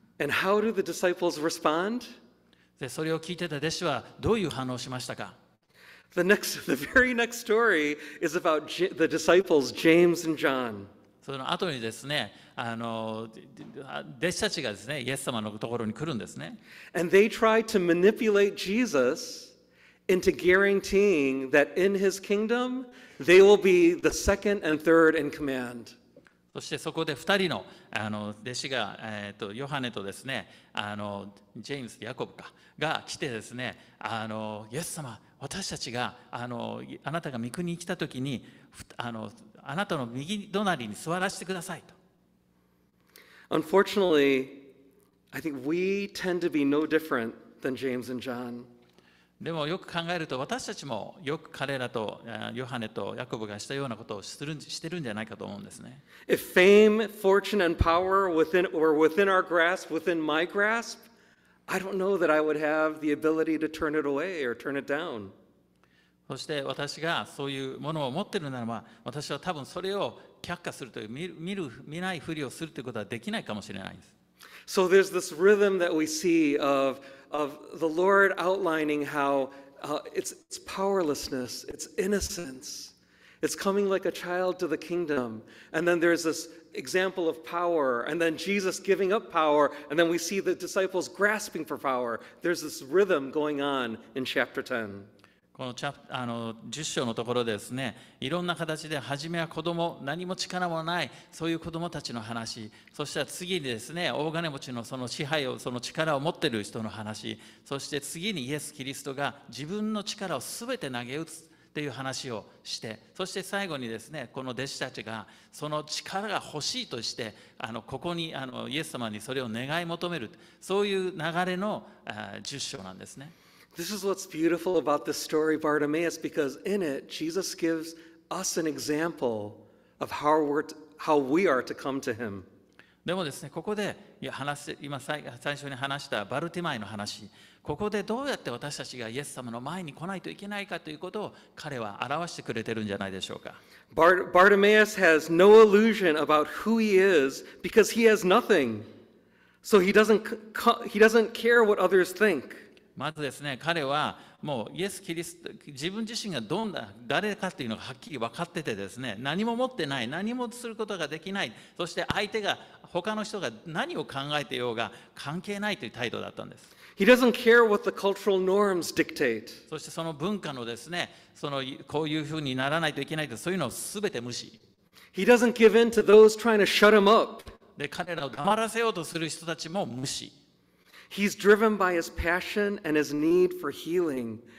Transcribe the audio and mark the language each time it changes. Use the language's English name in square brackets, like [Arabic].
[English] And how do the disciples respond? [Japanese] でそれを聞いてた弟子はどういう反応しましたか。 [English] The very next story is about the disciples James and John. [Japanese] その後にですね、弟子たちがですね、イエス様のところに来るんですね。 [English] And they try to manipulate Jesus into guaranteeing that in his kingdom they will be the second and third in command. [Japanese] そしてそこで二人の、弟子が、ヨハネとですね、ジェームス、ヤコブかが来てですね、イエス様私たちがあなたが御国に来たときにあなたの右隣に座らせてくださいと。 [English] Unfortunately, I think we tend to be no different than James and John. [Japanese] でもよく考えると私たちもよく彼らとヨハネとヤコブがしたようなことをしてるんじゃないかと思うんですね。 [English] If fame, fortune, and power were within our grasp, within my grasp,I don't know that I would have the ability to turn it away or turn it down. [Japanese] そして私がそういうものを持っているならば、私は多分それを却下するという見ないふりをするということはできないかもしれないです。 [English] So there's this rhythm that we see of the Lord outlining how it's powerlessness, it's innocence, it's coming like a child to the kingdom, and then there's this. Example of power, and then Jesus giving up power, and then we see the disciples grasping for power. There's this rhythm going on in chapter 10. [Japanese] この10章のところですね、いろんな形で初めは子供、何も力もない、そういう子供たちの話、そして次にですね、大金持ちのその支配を、その力を持っている人の話、そして次にイエス・キリストが自分の力をすべて投げ打つ。という話をしてそして最後にですねこの弟子たちがその力が欲しいとしてここにイエス様にそれを願い求めるそういう流れの十章なんですね。 [English] This is what's beautiful about this story Bartimaeus because in it Jesus gives us an example of how we are to come to him. [Japanese] でもですねここで話今 最初に話したバルティマイの話ここでどうやって私たちがイエス様の前に来ないといけないかということを彼は表してくれてるんじゃないでしょうか。 [English] Bartimaeus has no illusion about who he is because he has nothing. So he doesn't care what others think. [Japanese] まずですね、彼はもうイエス・キリスト、自分自身がどんな誰かっていうのがはっきり分かっててですね、何も持ってない、何もすることができない、そして相手が、他の人が何を考えてようが関係ないという態度だったんです。 [English] He doesn't care what the cultural norms dictate. [Japanese] そしてその文化のですね、そのこういうふうにならないといけないと、そういうのをすべて無視。 [English] He doesn't give in to those trying to shut him up. [Japanese] で、彼らを黙らせようとする人たちも無視。 [English] He's driven by his passion and his need for healing.